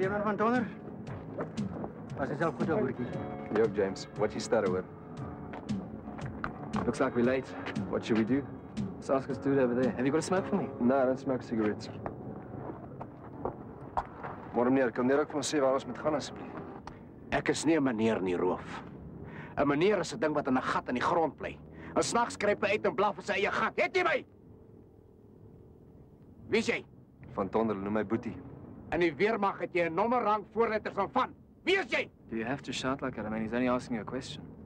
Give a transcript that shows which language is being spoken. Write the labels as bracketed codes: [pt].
[en] you heard from Toner? Was yourself good, Burkey? Yo, James. What's he started with? Looks like we're late. What should we do? Let's ask this dude over there. Have you got a smoke for me? No, I don't smoke cigarettes. [af] Maar meneer, kan meneer ook van sê waar ons moet gaan, asseblief? Ek is nie 'n meneer nie, roof. 'n Meneer is 'n ding wat in 'n gat in die grond bly. 'N Snags kruip hy uit en blaf in sy eie gat. Het jy my? Wie is jy? Van Toner, noem my Boetie. En die weermag het jy 'n nommer rang voorletters van van. Wie is jy? [en] Do you have to shout like that? I mean, he's only asking you a question.